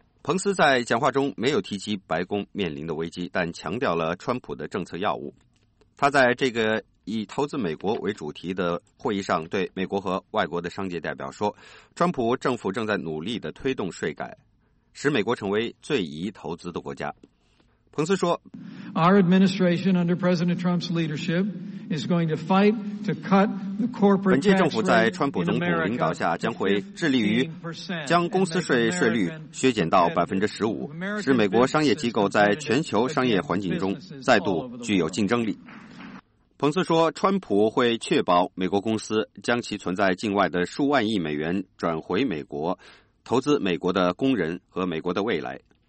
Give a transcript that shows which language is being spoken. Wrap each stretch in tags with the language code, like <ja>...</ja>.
<zh>彭斯在讲话中没有提及白宫面临的危机，但强调了川普的政策要务。他在这个以投资美国为主题的会议上对美国和外国的商界代表说，川普政府正在努力地推动税改，使美国成为最宜投资的国家。彭斯说，</zh> <en>Our administration under President Trump's leadership is going to fight to cut the corporate tax rate.</en> <zh>本届政府在川普总统领导下将会致力于将公司税税率削减到 15%， 使美国商业机构在全球商业环境中再度具有竞争力。彭斯说，川普会确保美国公司将其存在境外的数万亿美元转回美国，投资美国的工人和美国的未来。</zh>